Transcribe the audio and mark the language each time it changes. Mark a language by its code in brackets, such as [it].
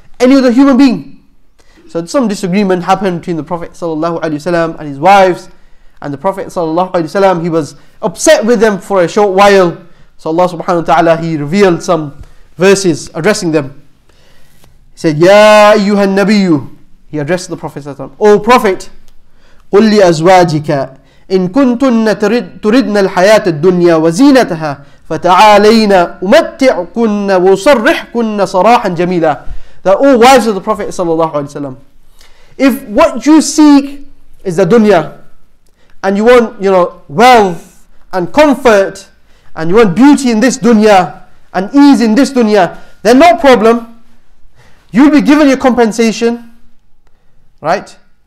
[en] any other human being. So some disagreement happened between the Prophet ﷺ and his wives. And the Prophet ﷺ, he was upset with them for a short while. So Allah subhanahu wa ta'ala, he revealed some verses addressing them. He said, Ya ayyuhan nabiyyu. He addressed the Prophet ﷺ. O Prophet, [ar] قُلْ لِأَزْوَاجِكَ إِن كُنْتُنَّ تُرِدْنَ الْحَيَاةَ الدُّنْيَا وَزِينَتَهَا فَتَعَالَيْنَا أُمَتِّعْكُنَّ وَصَرِّحْكُنَّ صَرَاحًا جَمِيلًا. [en] That all wives of the Prophet sallallahu alaihi wasallam, if what you seek is the dunya, and you want, you know, wealth and comfort, and you want beauty in this dunya and ease in this dunya, then no problem. You'll be given your compensation, right?